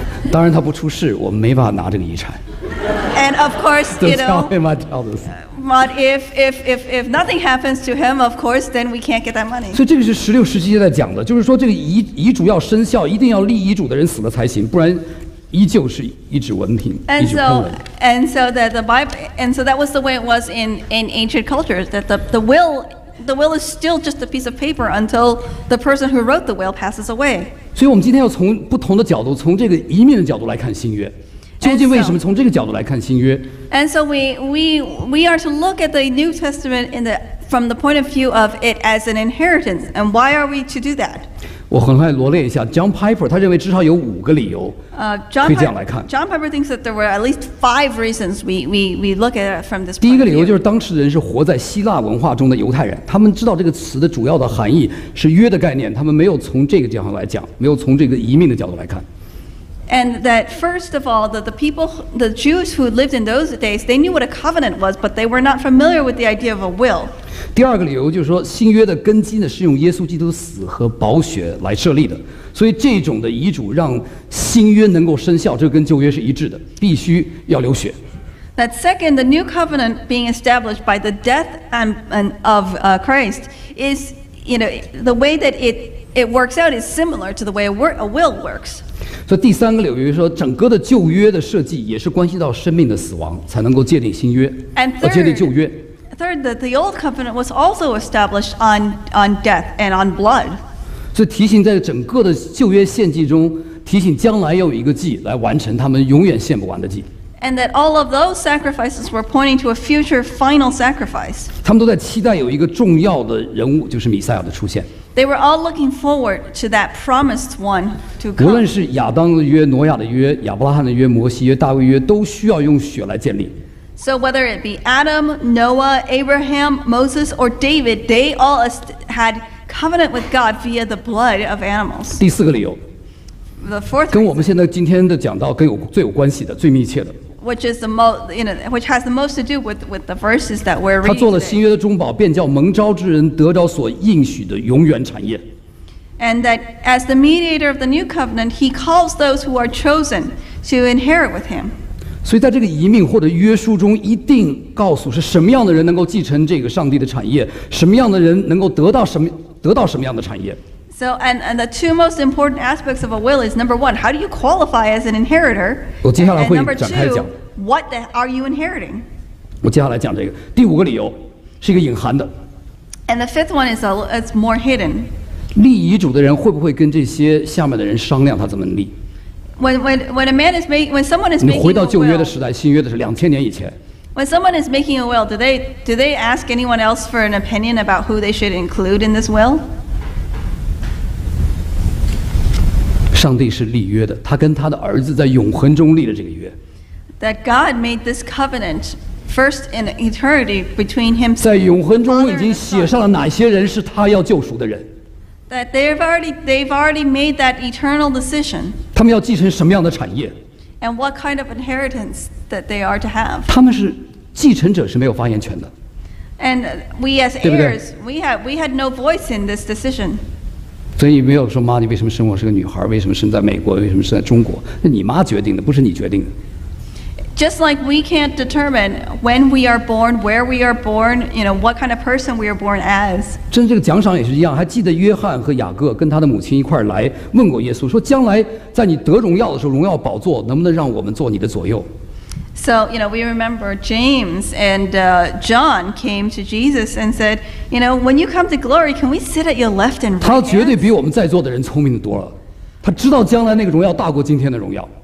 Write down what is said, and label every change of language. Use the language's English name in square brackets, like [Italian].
[Chinese] 当然他不出事，我们没办法拿这个遗产。 [English] And of course, you know. But if nothing happens to him, of course, then we can't get that money. [Chinese] 所以这个是十六、十七节在讲的，就是说这个遗嘱要生效，一定要立遗嘱的人死了才行，不然依旧是一纸文凭。 [English] And so that was the way it was in ancient cultures, that the will is still just a piece of paper until the person who wrote the will passes away. [Chinese] 所以我们今天要从不同的角度，从这个移民的角度来看新约。究竟为什么从这个角度来看新约 [English] ？And so we are to look at the New Testament from the point of view of it as an inheritance. And why are we to do that? [Chinese] 我很快罗列一下 ，John Piper 他认为至少有五个理由，可以这样来看。 [English] John Piper thinks that there were at least five reasons we look at from this. [Chinese] 第一个理由就是当时人是活在希腊文化中的犹太人，他们知道这个词的主要的含义是约的概念，他们没有从这个角度来讲，没有从这个移民的角度来看。 [English] And that first of all, that the people, the Jews who lived in those days, they knew what a covenant was, but they were not familiar with the idea of a will. [Chinese] 第二个理由就是说，新约的根基呢是用耶稣基督死和宝血来设立的，所以这种的遗嘱让新约能够生效，这跟旧约是一致的，必须要流血。 [English] That second, the new covenant being established by the death and of Christ is, you know, the way that it works out is similar to the way a will works. [Chinese] 所以第三个理由说，整个的旧约的设计也是关系到生命的死亡，才能够建立新约，建立旧约。 [English] Third, the old covenant was also established on death and on blood. [Chinese] 所以提醒在整个的旧约献祭中，提醒将来要有一个祭来完成他们永远献不完的祭。 [English] And that all of those sacrifices were pointing to a future final sacrifice. [Chinese] 他们都在期待有一个重要的人物，就是弥赛亚的出现。 [English] They were all looking forward to that promised one to come. [Chinese] 无论是亚当的约、挪亚的约、亚伯拉罕的约、摩西约、大卫约，都需要用血来建立。 [English] So whether it be Adam, Noah, Abraham, Moses, or David, they all had covenant with God via the blood of animals. [Chinese] 第四个理由。 [English] The fourth. [Chinese] 跟我们现在今天的讲到最有关系的、最密切的。 [English] Which is the most, you know, which has the most to do with the verses that we're reading. [Chinese] 他做了新约的中保，便叫蒙召之人得着所应许的永远产业。 [English] And that as the mediator of the new covenant, he calls those who are chosen to inherit with him. [Chinese] 所以在这个遗命或者约书中，一定告诉是什么样的人能够继承这个上帝的产业，什么样的人能够得到什么样的产业。 [English] So and the two most important aspects of a will is number one, how do you qualify as an inheritor? [Chinese] 我接下来会展开讲。 [English] And number two, what are you inheriting? [Chinese] 我接下来讲这个。第五个理由是一个隐含的。 [English] And the fifth one is more hidden. [Chinese] 立遗嘱的人会不会跟这些下面的人商量他怎么立 [English] ？When a man is make when someone is making a will. [Chinese] 你回到旧约的时代，新约的是两千年以前。 [English] When someone is making a will, do they ask anyone else for an opinion about who they should include in this will? [Chinese] 上帝是立约的，他跟他的儿子在永恒中立了这个约。 [English] That God made this covenant first in eternity between Him. [Chinese] 在永恒中已经写上了哪些人是他要救赎的人 [English] ？That they've already made that eternal decision. [Chinese] 他们要继承什么样的产业 [English] ？And what kind of inheritance that they are to have? [Chinese] 他们是继承者是没有发言权的。 [English] And we as heirs, we had no voice in this decision. [Chinese] 所以你没有说妈，你为什么生我是个女孩？为什么生在美国？为什么生在中国？那你妈决定的，不是你决定的。 [English] Just like we can't determine when we are born, where we are born, you know, what kind of person we are born as. [Chinese] 真这个奖赏也是一样，还记得约翰和雅各跟他的母亲一块来问过耶稣，说将来在你得荣耀的时候，荣耀宝座能不能让我们坐你的左右？ [English] So, you know, we remember James and John came to Jesus and said, you know, when you come to glory, can we sit at your left and right hand? [Chinese] 他绝对比我们在座的人聪明的多了，他知道将来那个荣耀大过今天的荣耀。